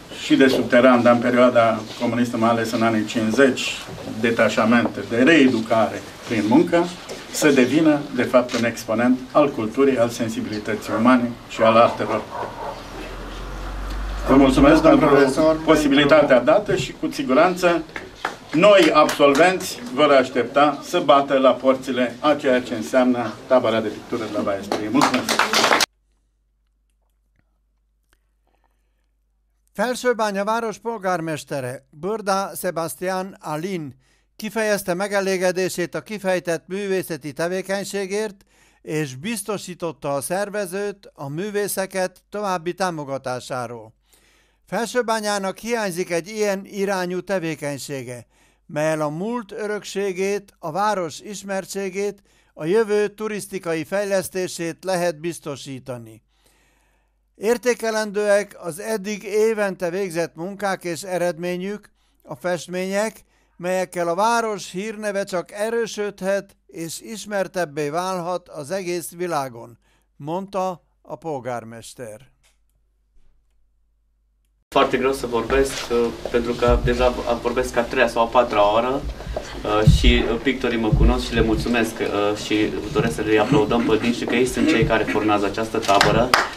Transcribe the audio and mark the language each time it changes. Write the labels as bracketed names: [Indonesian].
[Romanian] Și de subteran, dar în perioada comunistă, mai ales în anii 50, detașamente, de reeducare prin muncă, să devină, de fapt, un exponent al culturii, al sensibilității umane și al artelor. Vă mulțumesc, domnul profesor, posibilitatea dată și, cu siguranță, noi, absolvenți, vă aștepta să bată la porțile a ceea ce înseamnă tabăra de pictură de la Baia Sprie. Mulțumesc! [Hungarian] Felsőbányaváros polgármestere, Bőrda Sebastian Alin kifejezte megelégedését a kifejtett művészeti tevékenységért, és biztosította a szervezőt, a művészeket további támogatásáról. Felsőbányának hiányzik egy ilyen irányú tevékenysége, melyel a múlt örökségét, a város ismertségét, a jövő turisztikai fejlesztését lehet biztosítani. Értékelendőek az eddig évente végzett munkák és eredményük, a festmények, melyekkel a város hírneve csak erősödhet és ismertebbé válhat az egész világon, mondta a polgármester. [Romanian] Foarte greu să vorbesc, pentru că deja vorbesc a treia sau a patra oră și pictorii mă cunosc și le mulțumesc și doresc să le aplaudăm pe dinși că ei sunt cei care formează această tabără.